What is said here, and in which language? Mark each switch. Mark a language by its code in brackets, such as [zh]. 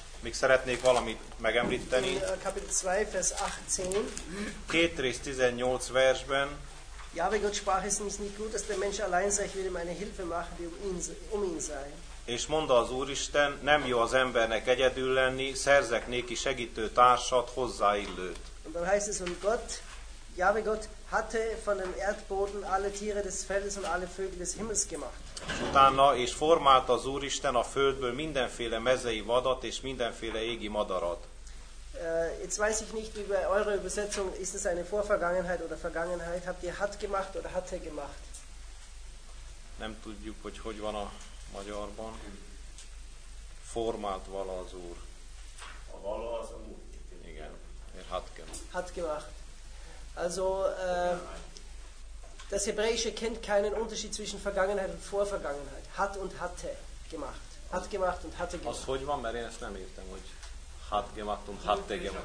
[hu] szeretnék valamit megemlíteni. [de] Kapitel 2, Vers 18. [hu] Két rész 18 versben. [de] Jahwe Gott sprach, es ist nicht gut, dass der Mensch allein sei, ich will ihm eine Hilfe machen, die um ihn sei. [hu] És mondta az Úristen, nem jó az embernek egyedül lenni, szerzek néki segítő társat, hozzáillőt. [de] Und dann heißt es, und Gott, Jahwe Gott, hatte von dem Erdboden alle Tiere des Feldes und alle Vögel des Himmels gemacht. [hu] Utána és formálta az Úristen a földből mindenféle mezei vadat és mindenféle égi madarat. [de] Jetzt weiß ich nicht, wie bei eurer Übersetzung ist es eine Vorvergangenheit oder Vergangenheit? Habt ihr hat gemacht oder hatte gemacht? [hu] Nem tudjuk, hogy hogy van a magyarban. Formált vala az Úr. A vala az a múlt. [de] Igen, er hat gemacht. Hat gemacht. Also, das Hebräische kennt keinen Unterschied zwischen Vergangenheit und Vorvergangenheit. Hat und hatte gemacht. Hat gemacht und hatte gemacht. [hu] Az hogy van, mert én ezt nem értem, hogy [de] hat gemacht und hatte gemacht.